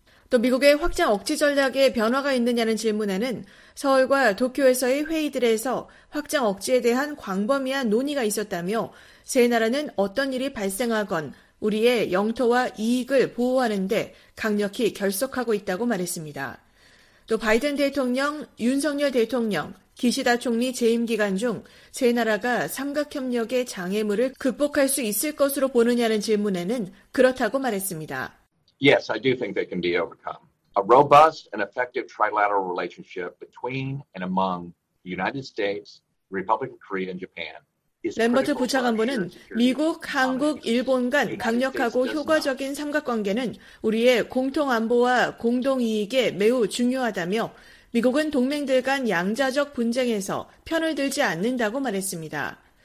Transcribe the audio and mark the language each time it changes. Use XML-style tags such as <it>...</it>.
<ko>또 미국의 확장 억지 전략에 변화가 있느냐는 질문에는 서울과 도쿄에서의 회의들에서 확장 억지에 대한 광범위한 논의가 있었다며 세 나라는 어떤 일이 발생하건 우리의 영토와 이익을 보호하는 데 강력히 결속하고 있다고 말했습니다. 또 바이든 대통령, 윤석열 대통령, 기시다 총리 재임 기간 중 세 나라가 삼각협력의 장애물을 극복할 수 있을 것으로 보느냐는 질문에는 그렇다고 말했습니다.</ko> <en>Yes, I do think they can be overcome. A robust and effective trilateral relationship between and among the United States, Republic of Korea, and Japan.</en> <ko>램버트 부차관보는 미국, 한국, 일본 간 강력하고 효과적인 삼각관계는 우리의 공통안보와 공동이익에 매우 중요하다며 미국은 동맹들 간 양자적 분쟁에서 편을 들지 않는다고 말했습니다.</ko>